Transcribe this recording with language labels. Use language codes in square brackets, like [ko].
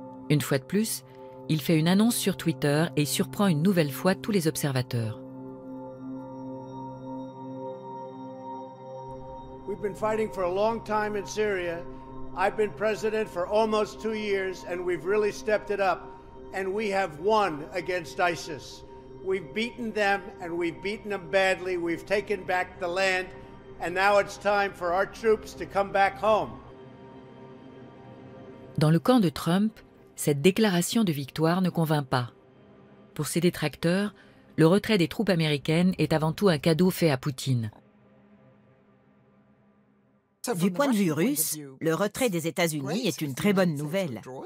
[fr] Une fois de plus, il fait une annonce sur Twitter et surprend une nouvelle fois tous les observateurs. [en] We've been fighting for a long time in Syria. I've been president for almost 2 years and we've really stepped it up and we have won against ISIS. We've beaten them and we've beaten them badly. We've taken back the land and now it's time for our troops to come back home. [fr] Dans le camp de Trump, cette déclaration de victoire ne convainc pas. Pour ses détracteurs, le retrait des troupes américaines est avant tout un cadeau fait à Poutine. Du point de vue russe, le retrait des États-Unis est une très bonne nouvelle.